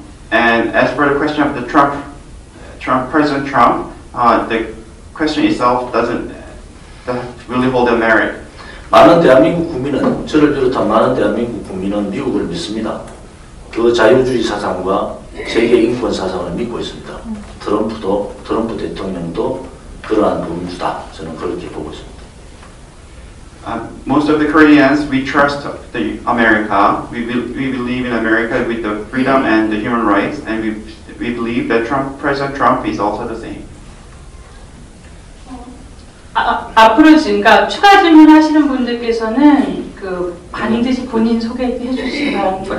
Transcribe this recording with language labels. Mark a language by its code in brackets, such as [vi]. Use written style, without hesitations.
[en] And as for the question of the President Trump, the question itself doesn't really hold a merit. [ko] 많은 대한민국 국민은, 저를 비롯한 많은 대한민국 국민은 미국을 믿습니다. 그 자유주의 사상과 세계 인권 사상을 믿고 있습니다. 트럼프 대통령도 그러한 분주다. 저는 그렇게 보고 있습니다. [en] Most of the Koreans, we trust the America. We believe in America with the freedom and the human rights. And we believe that President Trump is also the same. [ko] 앞으로 그러니까 추가 질문하시는 분들께서는 그 반드시 본인 소개해 주시기 바랍니다.